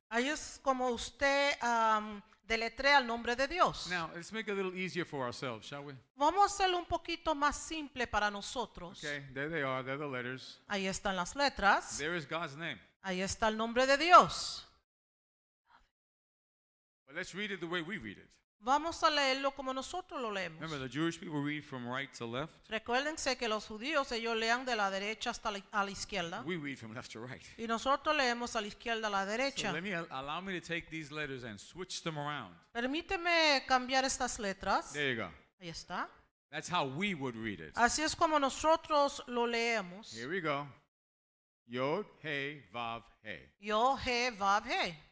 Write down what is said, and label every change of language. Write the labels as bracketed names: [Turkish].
[Spanish] Ahí es como usted deletrea el nombre de Dios. [English] Now, let's make it a little easier for ourselves, shall we? [Spanish] Vamos a hacerlo un poquito más simple para nosotros. [English] Okay, there they are, there are the letters. [Spanish] Ahí están las letras. [English] There is God's name. [Spanish] Ahí está el nombre de Dios. [English] But let's read it the way we read it. [Spanish] Vamos a leerlo como nosotros lo leemos. [English] Remember, the Jewish people read from right to left. [Spanish] Recuérdense que los judíos ellos lean de la derecha hasta a la izquierda. [English] We read from left to right. [Spanish] Y nosotros leemos a la izquierda a la derecha. [English] So allow me to take these letters and switch them around. [Spanish] Permíteme cambiar estas letras. [English] There you go. [Spanish] Ahí está. [English] That's how we would read it. [Spanish] Así es como nosotros lo leemos. [English] Here we go. Yod, hey, vav, hey. Yod, hey, vav, hey.